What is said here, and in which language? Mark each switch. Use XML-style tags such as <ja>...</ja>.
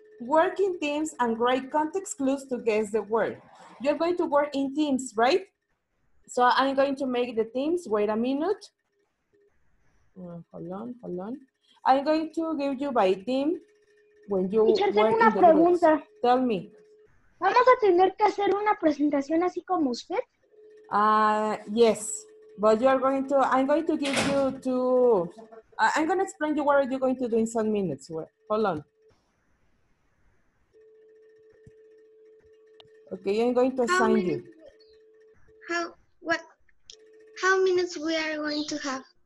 <en>Work in teams and write context clues to guess the word. You're going to work in teams, right? So I'm going to make the teams. Wait a minute. Hold on. I'm going to give you by team when you work in the groups. Tell me.</en> <es>¿Vamos a tener que hacer una presentación así como usted?</es> <en>Yes. But you are going to, I'm going to give you two. I'm going to explain you what you're going to do in some minutes. Hold on. Okay, I'm going to assign you. How minutes we are going to have?</en>